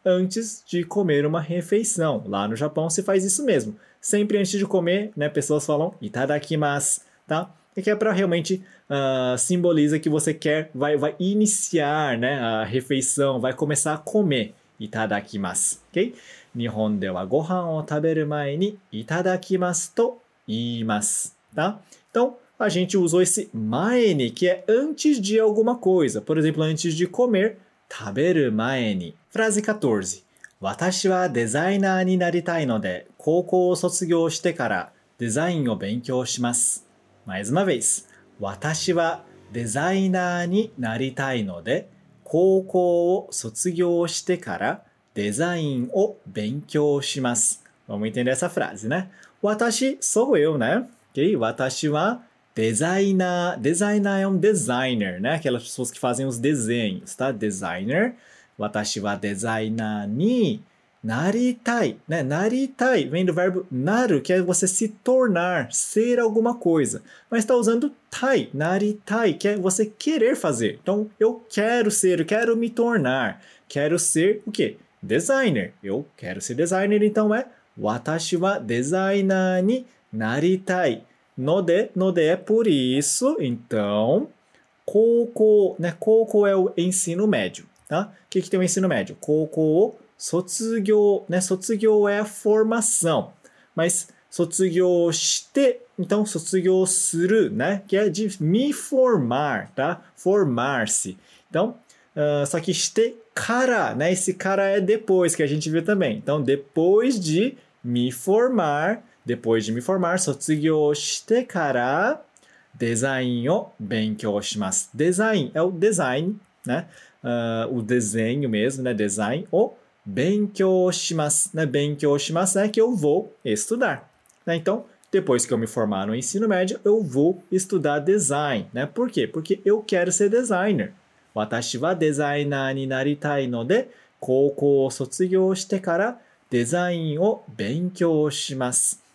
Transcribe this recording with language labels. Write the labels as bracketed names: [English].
[Portuguese] antes de comer uma refeição. Lá no Japão se faz isso mesmo. Sempre antes de comer, né, pessoas falam itadakimasu, tá? E que é para realmente simboliza que você quer, vai iniciar, né, a refeição, vai começar a comer. Itadakimasu, ok? [Japanese] 日本ではご飯を食べる前にいただきますと言います。 [Portuguese] Tá? Então, a gente usou esse 前に que é antes de alguma coisa. Por exemplo, antes de comer, [Japanese] 食べる前に。 [Portuguese] Frase 14. [Japanese] 私はデザイナーになりたいので、高校を卒業してからデザインを勉強します。 [Portuguese] Mais uma vez. [Japanese] 私はデザイナーになりたいので、高校を卒業してからデザインを勉強します。 [Portuguese] Vamos entender essa frase, né? 私、sou eu, né? Okay? [Japanese] 私はデザイナー。 [Portuguese] デザイナーはデザイナー, né? Aquelas pessoas que fazem os desenhos, tá? Designer. [Japanese] 私はデザイナーになりたい。 [Portuguese] Né? なりたい vem do verbo naru, que é você se tornar, ser alguma coisa. Mas está usando tai, naritai, que é você querer fazer. Então, eu quero ser, eu quero me tornar. Quero ser o quê? Designer. Eu quero ser designer, então é [Japanese] 私はデザイナーになりたい。 [Portuguese] ので é por isso, então, 高校, né? 高校é o ensino médio. Tá? O que que tem o ensino médio? 高校 卒業, né? 卒業 é a formação. Mas 卒業 して, então [Japanese] 卒業 する, [Portuguese] né? Que é de me formar, tá? Formar-se. Então, só que して から, né? Esse cara é depois, que a gente vê também. Então, depois de me formar, depois de me formar, [Japanese] 卒業 してから design を勉強します。 [Portuguese] Design é o design, né? O desenho mesmo, né? Design ou 勉強 します, né? 勉強 します é que eu vou estudar, né? Então, depois que eu me formar no ensino médio, eu vou estudar design, né? Por quê? Porque eu quero ser designer. [Japanese] 私はデザイナーになりたいので、高校を卒業してからデザインを勉強します。